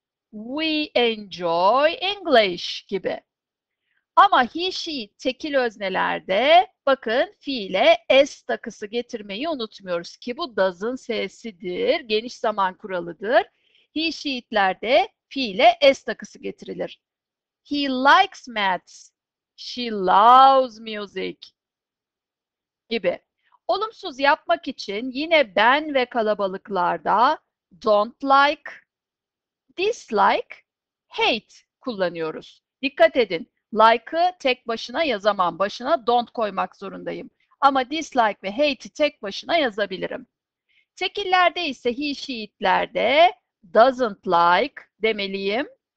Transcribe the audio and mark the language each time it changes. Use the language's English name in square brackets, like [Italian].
[English] We enjoy English [Turkish] gibi. Ama he, she, tekil öznelerde bakın fiile s takısı getirmeyi unutmuyoruz ki bu does'ın s'sidir, geniş zaman kuralıdır. He, she'lerde fiile s takısı getirilir. [English] He likes maths, she loves music gibi. [Turkish] Olumsuz yapmak için yine ben ve kalabalıklarda don't like, dislike, hate kullanıyoruz. Dikkat edin. Like'ı tek başına yazamam. Başına don't koymak zorundayım. Ama dislike ve hate'i tek başına yazabilirim. Tekillerde ise he, she, it'lerde doesn't like demeliyim.